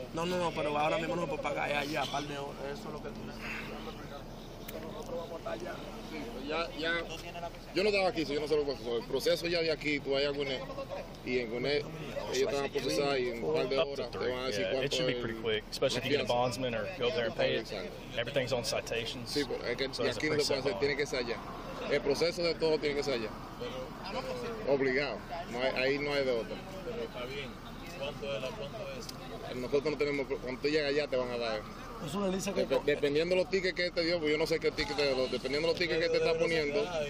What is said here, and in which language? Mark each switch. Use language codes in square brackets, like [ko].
[es] No, no, no, pero ahora mismo no puedo pagar allá, un par de horas. Eso es lo que tú necesitas. Ya, yo no estaba aquí, si yo no sé lo que pasó. El proceso ya de aquí, tú vas a Guiné. Y en Guiné, ellos están a procesar y en un par de horas te van a decir cuánto. [en] It should be pretty quick, especially if you get a bondsman or go there and pay it. Everything's on citations. [es] Sí, pero es que aquí lo que pasa tiene que ser allá. El proceso de todo tiene que ser allá. Obligado. No hay, ahí no hay de otra. Pero está bien. ¿Cuánto es? Nosotros no tenemos. Cuando tú llegas allá, te van a dar. Eso le dice que dependiendo los tickets que te dio, pues yo no sé qué ticket te dio, dependiendo los tickets que te está poniendo.